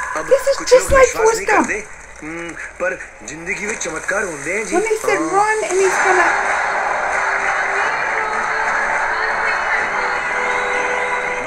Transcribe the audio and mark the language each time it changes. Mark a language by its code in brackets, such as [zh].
[en] This is just like Forrest Gump. [hi] पर जिंदगी में चमत्कार होते हैं जी. [en] When he said run and he's gonna.